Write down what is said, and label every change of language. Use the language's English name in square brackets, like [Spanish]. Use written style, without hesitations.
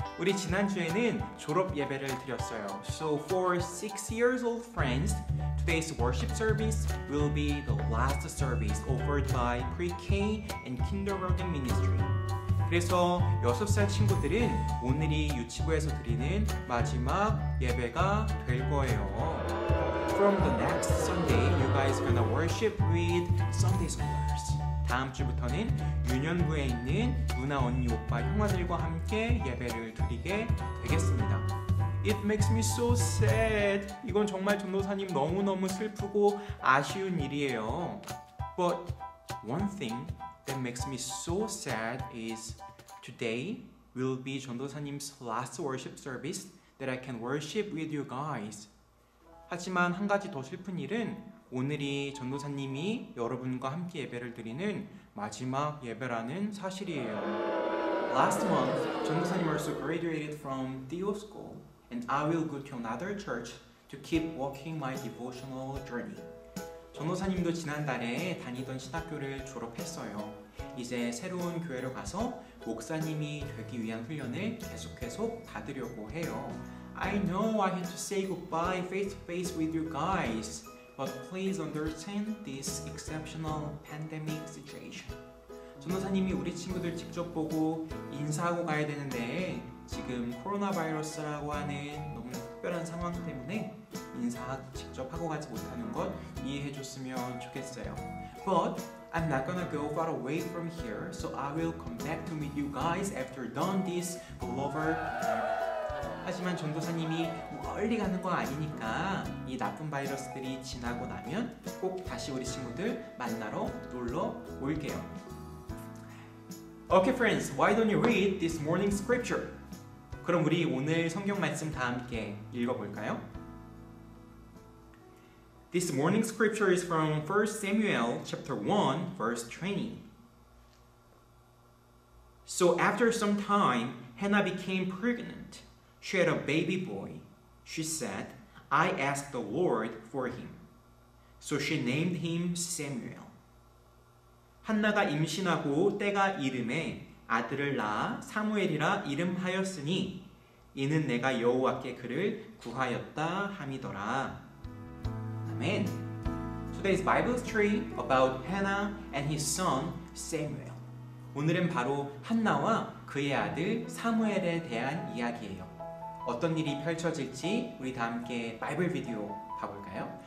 [Korean] 우리 지난주에는 졸업 예배를 드렸어요. [English] So for 6 years old friends, today's worship service will be the last service offered by pre-K and kindergarten ministry. [Korean] 그래서 6살 친구들은 오늘이 유치부에서 드리는 마지막 예배가 될 거예요. [English] From the next Sunday, you guys are gonna worship with Sunday schoolers. [Korean] 다음 주부터는 유년부에 있는 누나, 언니, 오빠, 형아들과 함께 예배를 드리게 되겠습니다. [English] It makes me so sad. [Korean] 이건 정말 전도사님 너무너무 슬프고 아쉬운 일이에요. [English] But one thing that makes me so sad is today will be 전도사님's last worship service that I can worship with you guys. [Korean] 하지만 한 가지 더 슬픈 일은 오늘이 전도사님이 여러분과 함께 예배를 드리는 마지막 예배라는 사실이에요. [English] Last month, 전도사님 also graduated from Theo School and I will go to another church to keep walking my devotional journey. [Korean] 전도사님도 지난달에 다니던 신학교를 졸업했어요. 이제 새로운 교회로 가서 목사님이 되기 위한 훈련을 계속해서 받으려고 해요. [English] I know I had to say goodbye face to face with you guys, but please understand this exceptional pandemic situation. [Korean] 전도사님이 우리 친구들 직접 보고 인사하고 가야 되는데 지금 코로나 바이러스라고 하는 너무 특별한 상황 때문에 인사 직접 하고 가지 못하는 것 이해해 줬으면 좋겠어요. [English] But I'm not gonna go far away from here, so I will come back to meet you guys after done this global pandemic. [Korean] 하지만 전도사님이 멀리 가는 거 아니니까 이 나쁜 바이러스들이 지나고 나면 꼭 다시 우리 친구들 만나러 놀러 올게요. [English] Okay, friends, why don't you read this morning scripture? [Korean] 그럼 우리 오늘 성경 말씀 다 함께 읽어볼까요? [English] This morning scripture is from 1 Samuel chapter 1, verse 20. So after some time, Hannah became pregnant. She had a baby boy. She said, I asked the Lord for him. So she named him Samuel. [Korean] 한나가 임신하고 때가 이름에 아들을 낳아 사무엘이라 이름하였으니 이는 내가 여호와께 그를 구하였다 함이더라. 아멘. [English] Today's Bible story about Hannah and his son Samuel. [Korean] 오늘은 바로 한나와 그의 아들 사무엘에 대한 이야기예요. 어떤 일이 펼쳐질지 우리 다 함께 바이블 비디오 봐볼까요?